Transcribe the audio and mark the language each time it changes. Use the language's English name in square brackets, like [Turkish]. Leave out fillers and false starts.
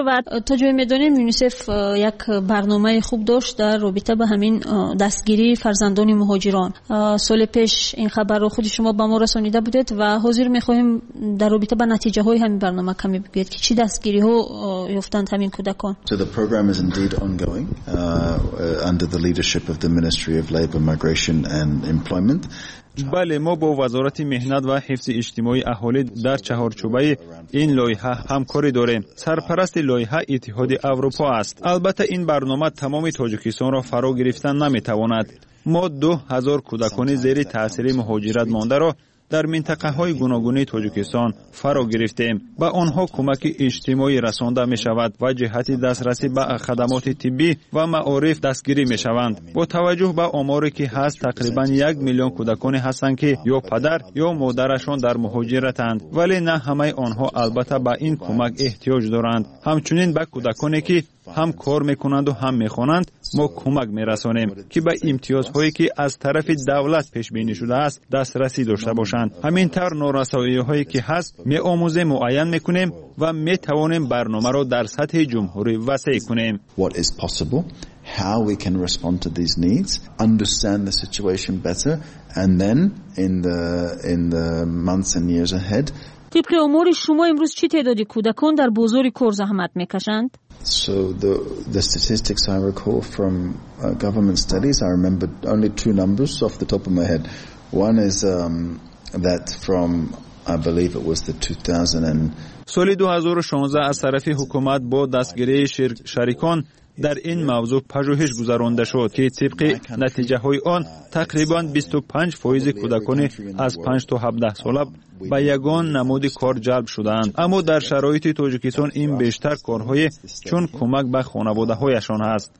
[Persian] و تا جایی میدونیم یونیسف یک برنامه خوب داشت در رابطه به همین دستگیری فرزندان مهاجران. سال پیش این خبر رو خود شما به ما رسانیده بودید و حاضر میخواهیم در رابطه به نتیجه های همین برنامه کمی بگید که چی دستگیری ها یافتند همین کودکان. [English] So the program is indeed ongoing under the leadership of the Ministry of Labor, Migration and Employment. [Persian] بله، ما با وزارت مهنت و حفظ اجتماعی اهالی در چهارچوبه این لایحه همکاری داریم. سرپرست لایحه اتحاد اروپا است. البته این برنامه تمام تاجیکستان را فرا گرفتن نمیتواند. ما 2000 کودکان زیر تاثیر مهاجرت مانده را در منطقه های گوناگون تاجیکستان فرا گرفتیم. با آنها کمک اجتماعی رسانده می شود و جهت دسترسی به خدمات طبی و معارف دستگیری می شوند. با توجه به آماری که هست، تقریبا 1 میلیون کودکان هستند که یا پدر یا مادرشان در مهاجرتند، ولی نه همه آنها البته به این کمک احتیاج دارند. همچنین به کودکانی که هم کار میکنند و هم میخوانند ما کمک میرسانیم که به امتیازهایی که از طرف دولت پیش بینی شده است دسترسی داشته باشند. همین طور نورسایی هایی که هست میآموزیم، معین میکنیم و میتوانیم برنامه را در سطح جمهوری وسیع کنیم. [English] What is possible, how we can respond to these needs, understand the situation better, and then in the months and years ahead. [Persian] طبق امور شما امروز چه تعدادی کودکان در بازار کار زحمت میکشند؟ [English] So the statistics I recall from government studies, I remember only two numbers off the top of my head. One is that from, I believe it was the 2000. [Persian] سال 2016 از طرف حکومت با دستگیری شریکان در این موضوع پژوهش گذرانده شد که طبق نتیجه های آن تقریبا 25% کودکان از 5 تا 17 ساله با یگان نمود کار جلب شدند. اما در شرایط تاجیکستان این بیشتر کارهای چون کمک به خانواده هایشان است.